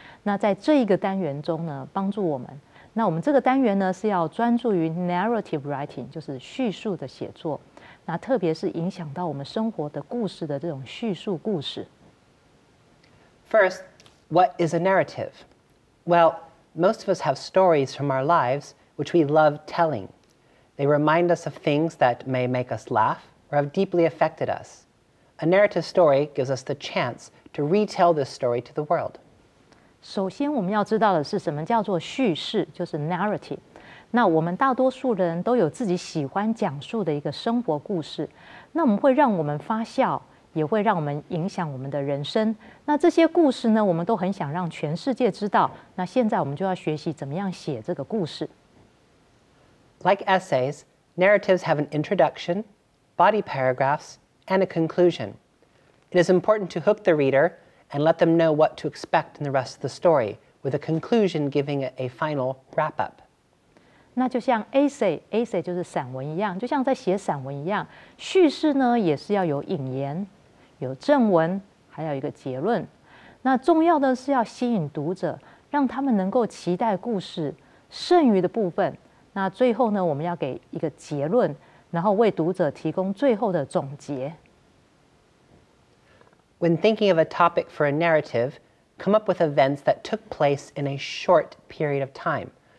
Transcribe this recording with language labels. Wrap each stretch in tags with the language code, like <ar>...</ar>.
<zh>那在这一个单元中呢，帮助我们。那我们这个单元呢，是要专注于 narrative writing, 就是叙述的写作。那特别是影响到我们生活的故事的这种叙述故事。</zh> <en>First,What is a narrative? Well, most of us have stories from our lives which we love telling. They remind us of things that may make us laugh or have deeply affected us. A narrative story gives us the chance to retell this story to the world.</en> <zh>首先我们要知道的是什么叫做叙事，就是 narrative。那我们大多数人都有自己喜欢讲述的一个生活故事，那我们会让我们发笑也会让我们影响我们的人生。那这些故事呢，我们都很想让全世界知道。那现在我们就要学习怎么样写这个故事。</zh> <en>Like essays, narratives have an introduction, body paragraphs, and a conclusion. It is important to hook the reader and let them know what to expect in the rest of the story, with a conclusion giving it a final wrap-up.</en> <zh>那就像 essay 就是散文一样，就像在写散文一样，叙事呢也是要有引言、有正文，还有一个结论。那重要的是要吸引读者，让他们能够期待故事剩余的部分。那最后呢，我们要给一个结论，然后为读者提供最后的总结。</zh> <en>When thinking of a topic for a narrative, come up with events that took place in a short period of time.</en>